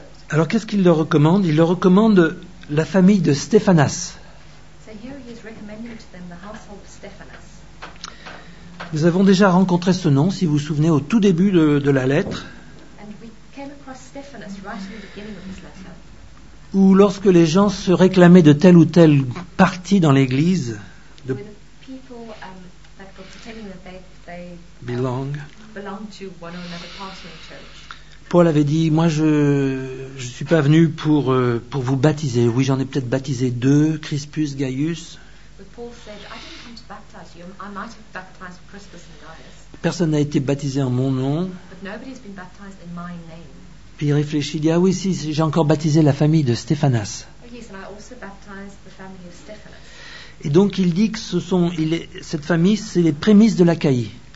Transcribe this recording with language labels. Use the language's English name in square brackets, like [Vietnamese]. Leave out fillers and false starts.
[French] Alors, qu'est-ce qu'il leur recommande? Il leur recommande la famille de Stéphanas. [English] So here he is recommending to them the household of Stéphanas. [French] Nous avons déjà rencontré ce nom, si vous vous souvenez, au tout début de la lettre. [English] And we came across Stephanus right in the beginning of his letter. [French] Ou lorsque les gens se réclamaient de telle ou telle partie dans l'église. De [English] people that were pretending that they belong to one or another part of the church. [French] Paul avait dit, moi je suis pas venu pour vous baptiser. Oui, j'en ai peut-être baptisé deux, Crispus, Gaius. [English] But Paul said, I didn't come to baptize you. I might have baptized Crispus and Gaius. [French] Personne n'a été baptisé en mon nom. [English] But nobody's been baptized in my name. [French] Puis il réfléchit, il dit, ah oui, si, j'ai encore baptisé la famille de Stéphanas. [English] Oh, yes, and I also baptized the family of Stéphanas. [French] Et donc il dit que ce sont, il est, cette famille, c'est les prémices de l'Achaïe.